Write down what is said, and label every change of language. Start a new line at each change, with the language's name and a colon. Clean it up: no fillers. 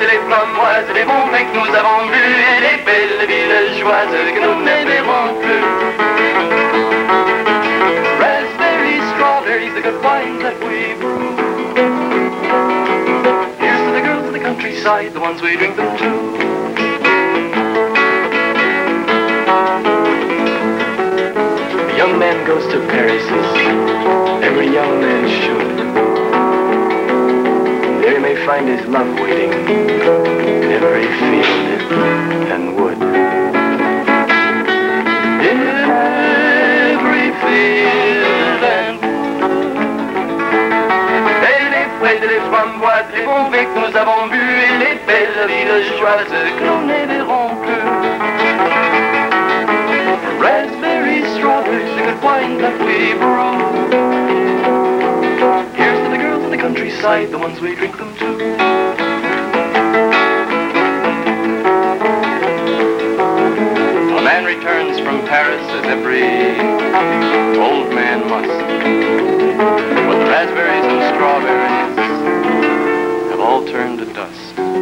French: framboises, les bons mecs nous avons vu, et les belles villageoises que nous n'aimerons plus.
English: Raspberries, strawberries, the good wines that we brew. Here's to the girls of the countryside, the ones we drink them to. A young man goes to Paris, every young man should. Find his love waiting in every field and wood. In every field and wood.
French: Et les fraises et les framboises, les bons vins que nous avons bu, et les belles villageoises que nous n'aimerons plus.
English: Raspberries, strawberries, the good wine that we brew. Countryside, the ones we drink them to. A man returns from Paris, as every old man must, but the raspberries and strawberries have all turned to dust.